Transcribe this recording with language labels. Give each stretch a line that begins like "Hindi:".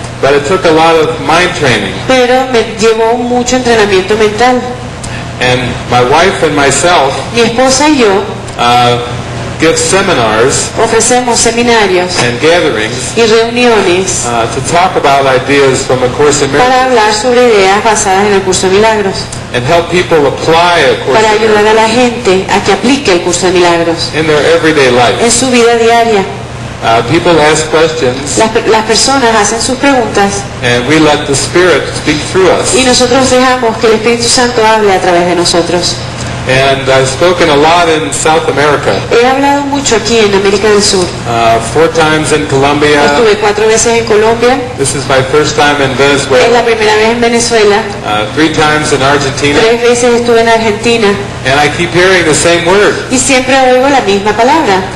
English: But it took a lot of mind training.
Spanish: Pero me llevó mucho entrenamiento mental.
English: And my wife and myself.
Spanish: Mi esposa y yo.
English: Give seminars.
Spanish: Ofrecemos seminarios.
English: And gatherings.
Spanish: Y reuniones.
English: To talk about ideas from A Course in Miracles.
Spanish: Para hablar sobre ideas basadas en el curso de milagros.
English: And help people apply A Course.
Spanish: Para ayudar a la gente a que aplique el curso de milagros.
English: In their everyday life.
Spanish: En su vida diaria.
English: People ask questions.
Spanish: Las personas hacen sus preguntas.
English: And we let the Spirit speak through us.
Spanish: Y nosotros dejamos que el Espíritu Santo hable a través de nosotros.
English: And I've spoken a lot in South America.
Spanish: He hablado mucho aquí en América del Sur.
English: Four times in Colombia.
Spanish: Estuve cuatro veces en Colombia.
English: This is my first time in Venezuela.
Spanish: Es la primera vez en Venezuela.
English: Three times in Argentina.
Spanish: Tres veces estuve en Argentina.
English: And I keep hearing the same word.
Spanish: Y siempre oigo la misma palabra.